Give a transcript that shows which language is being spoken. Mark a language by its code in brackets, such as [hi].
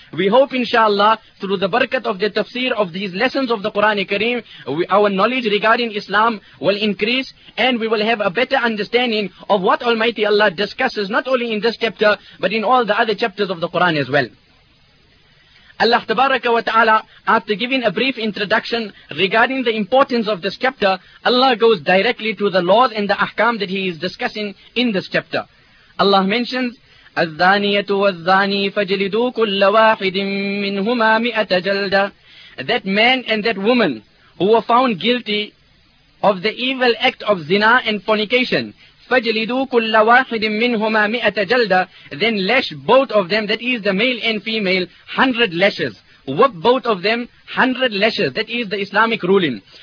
[en] We hope inshallah through the barakat of the tafsir of these lessons of the Quran Kareem, our knowledge regarding Islam will increase and we will have a better understanding of what Almighty Allah discusses, not only in this chapter but in all the other chapters of the Quran as well. Allah tabaraka wa ta'ala, after giving a brief introduction regarding the importance of this chapter, Allah goes directly to the laws and the ahkam that he is discussing in this chapter. Allah mentions, [ar] الزانيه والزاني فجلدوا كل واحد منهما 100 جلدة. [en] That man and that woman who were found guilty of the evil act of zina and fornication, [ar] فَجْلِدُوا كُلَّ وَاحِدٍ مِّنْهُمَا 100 جَلْدَ, [en] then lash both of them, that is the male and female, 100 lashes. Whip both of them 100 lashes. That is the Islamic ruling.